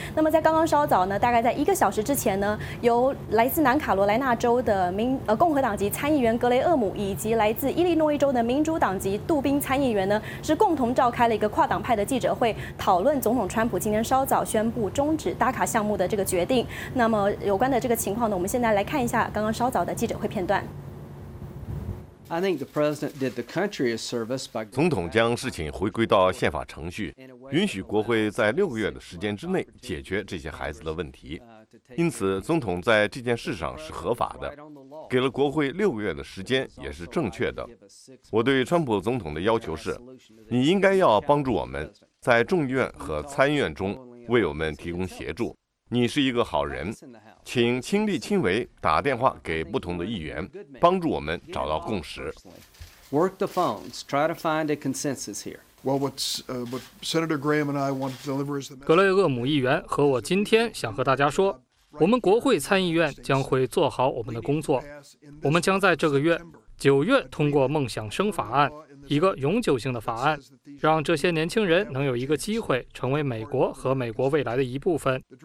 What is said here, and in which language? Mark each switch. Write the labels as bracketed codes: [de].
[zh] 那么在刚刚稍早呢，大概在一个小时之前呢，由来自南卡罗来纳州的共和党籍参议员格雷厄姆，以及来自伊利诺伊州的民主党籍杜宾参议员呢，是共同召开了一个跨党派的记者会，讨论总统川普今天稍早宣布终止 DACA 项目的这个决定。那么有关的这个情况呢，我们现在来看一下刚刚稍早的记者会片段。 [en] I think the president did the country a service by. [zh] 总统将事情回归到宪法程序，允许国会在六个月的时间之内解决这些孩子的问题。因此，总统在这件事上是合法的，给了国会六个月的时间也是正确的。我对川普总统的要求是，你应该要帮助我们在众议院和参议院中为我们提供协助。你是一个好人。请亲力亲为打电话给不同的议员，帮助我们找到共识。 [en] Work the phones, try to find a consensus here. Well, what Senator Graham and I want to deliver is the. [zh] 格雷厄姆议员和我今天想和大家说，我们国会参议院将会做好我们的工作。我们将在这个月九月通过梦想生法案，一个永久性的法案，让这些年轻人能有一个机会成为美国和美国未来的一部分。